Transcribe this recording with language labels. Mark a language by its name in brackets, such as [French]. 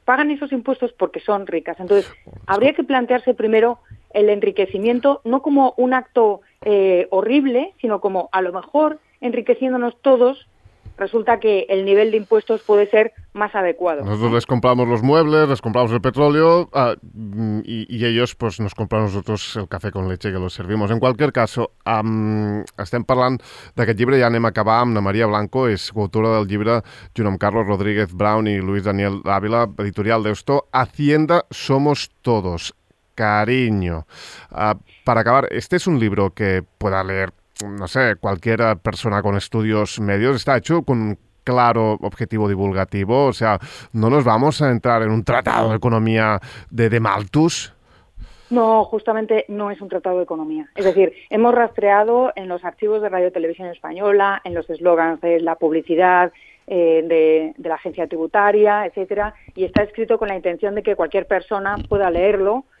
[Spanish] Pagan esos impuestos porque son ricas. Entonces, habría que plantearse primero el enriquecimiento no como un acto horrible, sino como a lo mejor enriqueciéndonos todos. Resulta que el nivel de impuestos puede ser más adecuado. Nosotros les compramos los muebles, les compramos el petróleo y ellos pues nos compran nosotros el café con leche que los servimos. [Catalan] En cualquier caso, estem parlant d'aquest llibre, ja anem a acabar amb la Maria Blanco, és coautora del llibre junt amb Carlos Rodríguez Brown i Luis Daniel Ávila, editorial d'Eusto, Hacienda Somos Todos, cariño. [Spanish] Para acabar, este es un libro que pueda leer, no sé, cualquier persona con estudios medios. Está hecho con un claro objetivo divulgativo, o sea, no nos vamos a entrar en un tratado de economía de Malthus. No, justamente no es un tratado de economía. Es decir, hemos rastreado en los archivos de Radio Televisión Española, en los eslogans de la publicidad de la agencia tributaria, etcétera, y está escrito con la intención de que cualquier persona pueda leerlo.